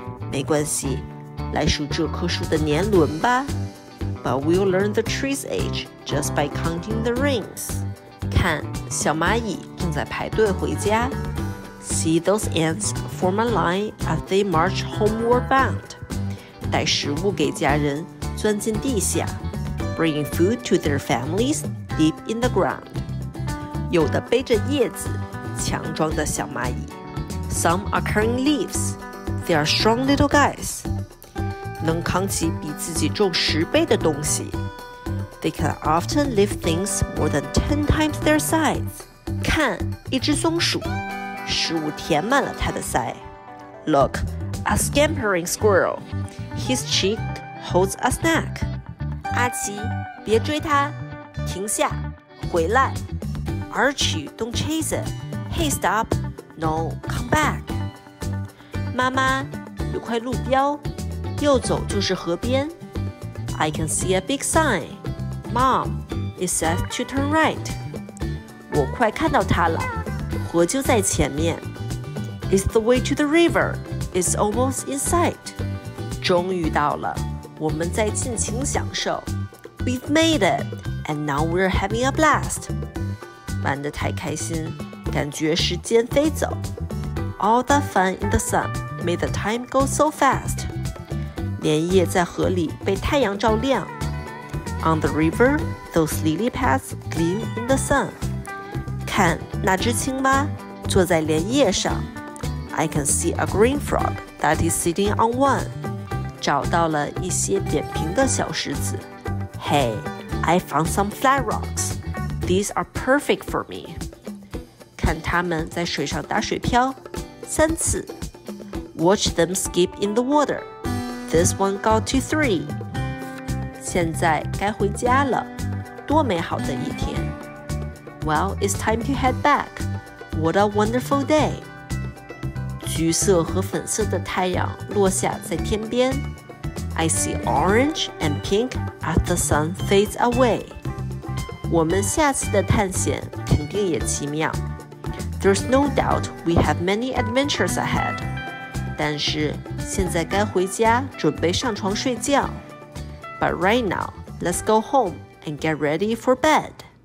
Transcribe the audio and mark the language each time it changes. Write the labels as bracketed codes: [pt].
[zh] 没关系，来数这棵树的年轮吧。 [en] But we'll learn the tree's age just by counting the rings. [zh] 看，小蚂蚁正在排队回家。 [en] See those ants form a line as they march homeward bound. [zh] 带食物给家人，钻进地下。 [en] Bringing food to their families deep in the ground. [zh] 有的背着叶子，强壮的小蚂蚁。 [en] Some are carrying leaves. They are strong little guys. [zh] 能扛起比自己重十倍的东西。 [en] They can often lift things more than 10 times their size. [zh] 看，一只松鼠，食物填满了它的腮。 [en] Look, a scampering squirrel. His cheek holds a snack. [zh] 阿奇，别追它，停下，回来。 [en] Archie, don't chase it. Hey, stop. No, come back. [zh] 妈妈，有块路标。右走就是河边。 [en] I can see a big sign. Mom, it says to turn right. [zh] 我快看到它了，河就在前面。 [en] It's the way to the river. It's almost in sight. [zh] 终于到了，我们在尽情享受。 [en] We've made it, and now we're having a blast. [zh] 玩得太开心，感觉时间飞走。 [en] All the fun in the sun made the time go so fast. [zh] 莲叶在河里被太阳照亮。 [en] On the river, those lily pads gleam in the sun. [zh] 看那只青蛙坐在莲叶上。 [en] I can see a green frog that is sitting on one. [zh] 找到了一些扁平的小石子。 [en] Hey, I found some flat rocks. These are perfect for me. [zh] 看他们在水上打水漂，三次。 [en] Watch them skip in the water. This one got to 3. [zh] 现在该回家了，多美好的一天。 [en] Well, it's time to head back. What a wonderful day. [zh] 橘色和粉色的太阳落下在天边。 [en] I see orange and pink as the sun fades away. [zh] 我们下次的探险肯定也奇妙。 [en] There's no doubt we have many adventures ahead. [zh] 但是现在该回家准备上床睡觉。 [en] But right now, let's go home and get ready for bed.